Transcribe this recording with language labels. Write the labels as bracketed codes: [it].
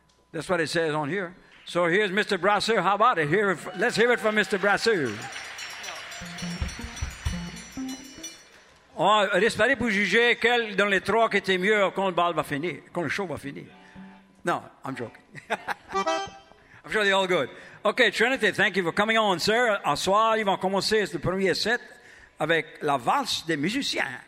[en] That's what it says on here. So here's Mr. Brasseur. How about it? Let's hear it from Mr. Brasseur. [fr] On va espérer pour juger quel dans les trois qui était mieux quand le bal va finir, quand le show va finir. [en] No, I'm joking. I'm sure they're all good. Okay, Trinity, thank you for coming on, sir. [fr] Au soir, ils vont commencer le premier set avec la valse des musiciens.